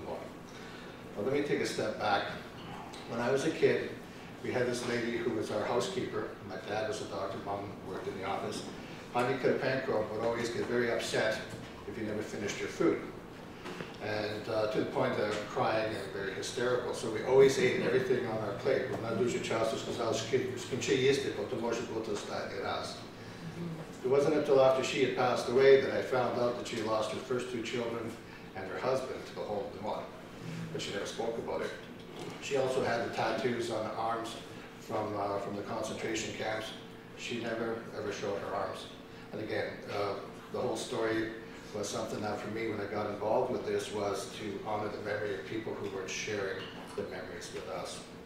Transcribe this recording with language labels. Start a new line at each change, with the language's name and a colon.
English: Well, let me take a step back. When I was a kid, we had this lady who was our housekeeper. My dad was a doctor, mom worked in the office. Pani Karpenko would always get very upset if you never finished your food. And to the point of crying and very hysterical. So we always ate everything on our plate.
Ukrainian: Вона дуже часто сказала, що скінчи їсти, бо то може бути останній раз.
English: It wasn't until after she had passed away that I found out that she lost her first two children and her husband to the Holodomor. But she never spoke about it. She also had the tattoos on her arms from the concentration camps. She never, ever showed her arms. And again, the whole story was something that for me when I got involved with this was to honor the memory of people who weren't sharing the memories with us.